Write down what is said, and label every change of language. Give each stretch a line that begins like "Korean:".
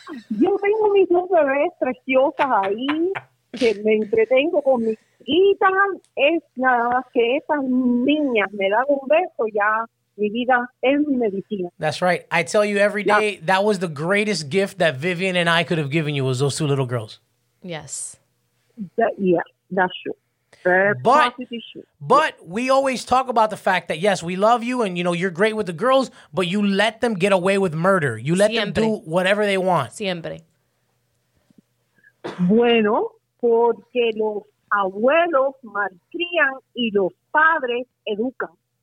Spanish: Yo tengo mis dos bebés preciosas ahí, que me entretengo con mis hijitas. Es nada más que esas niñas me dan un beso, ya mi vida es mi medicina.
English: That's right. I tell you every day, that was the greatest gift that Vivian and I could have given you, was those two little girls. Yes. That's true. But we always talk about the fact that, yes, we love you and, you know, you're great with the girls, but you let them get away with murder. You let them do whatever they want.
Spanish: Siempre. Bueno, porque los abuelos malcrian y los padres educan.